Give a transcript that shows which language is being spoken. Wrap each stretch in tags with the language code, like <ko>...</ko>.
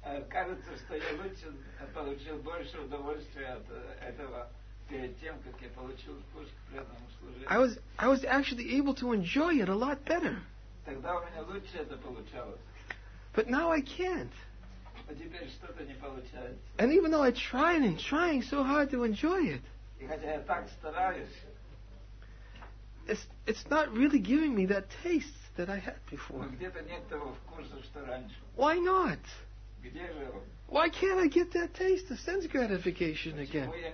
<ru>Кажется, что я лучше получил больше удовольствия от этого перед тем, как я получил вкус к преданному служению.</ru> <en>I was actually able to enjoy it a lot better.</en> <ru>Тогда у меня лучше это получалось.</ru> <en>But now I can't.</en> <ru>А теперь что-то не получается.</ru> <en>And even though I tried and trying so hard to enjoy it.</en> <ru>И хотя я так стараюсь.</ru> <en>It's not really giving me that taste that I had before.</en> <ru>Где-то нет того вкуса, что раньше.</ru> <en>Why not? Why can't I get that taste of sense gratification again?</en>